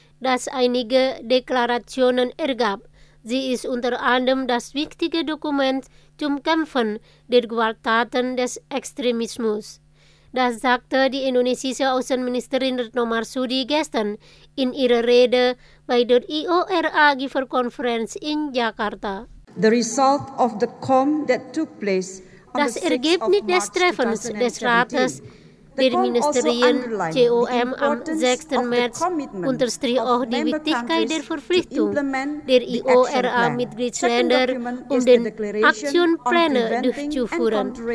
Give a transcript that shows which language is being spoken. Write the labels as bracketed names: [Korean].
[German] das einige Deklarationen ergab. Sie ist unter anderem das wichtige Dokument zum Kämpfen der Gewalttaten des Extremismus. Das sagte die indonesische Außenministerin Retno Marsudi gestern in ihrer Rede bei der IORA Giverkonferenz in Jakarta. [English] The result of the COM that took place on [German] das Ergebnis des Treffens des Rates der Ministerien COM am 6. März unterstrich auch die Wichtigkeit der Verpflichtung der IORA-Mitgliedsländer, um den Aktionpläne durchzuführen.